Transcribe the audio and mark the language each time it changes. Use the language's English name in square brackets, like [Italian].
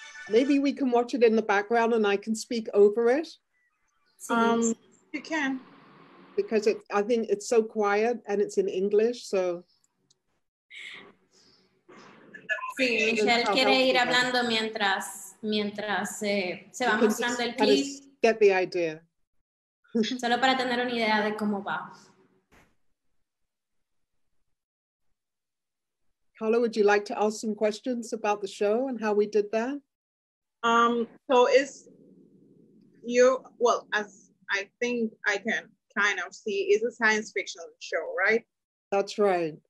[English] Maybe we can watch it in the background and I can speak over it. You can. Because I think it's so quiet and it's in English, so. [Spanish] Sí, Michelle quiere ir hablando mientras se va mostrando el clip. [English] Get the idea. [Spanish] Solo para tener una idea de cómo va. [English] Carla, would you like to ask some questions about the show and how we did that? As I think I can kind of see, it's a science fiction show, right? That's right.